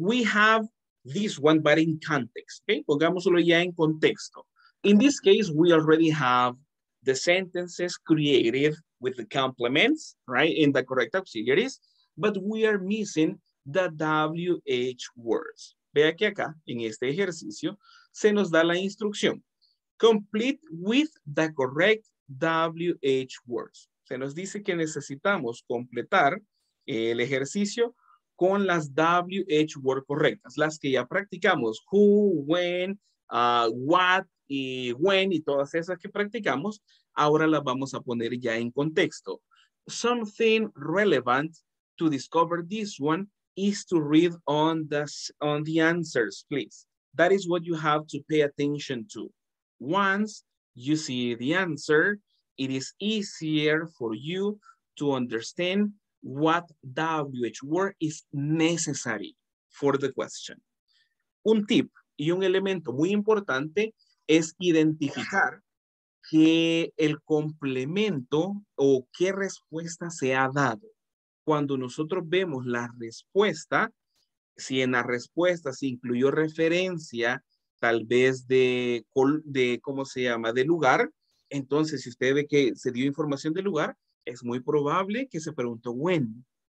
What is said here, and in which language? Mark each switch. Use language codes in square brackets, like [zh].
[en] We have this one, but in context, okay? [es] Pongámoslo ya en contexto. [en] In this case, we already have the sentences created with the complements, right, in the correct auxiliaries, but we are missing the WH words. [es] Vea que acá, en este ejercicio, se nos da la instrucción. [en] Complete with the correct WH words. [es] Se nos dice que necesitamos completar el ejercicio con las WH words correctas, las que ya practicamos, who, when, what, y when, y todas esas que practicamos, ahora las vamos a poner ya en contexto. [en] Something relevant to discover this one is to read on the answers, please. That is what you have to pay attention to. Once you see the answer, it is easier for you to understand what WH word is necessary for the question. [es] Un tip y un elemento muy importante es identificar que el complemento o qué respuesta se ha dado. Cuando nosotros vemos la respuesta, si en la respuesta se incluyó referencia, tal vez de ¿cómo se llama?, de lugar, entonces si usted ve que se dio información de lugar, es muy probable que se preguntó when.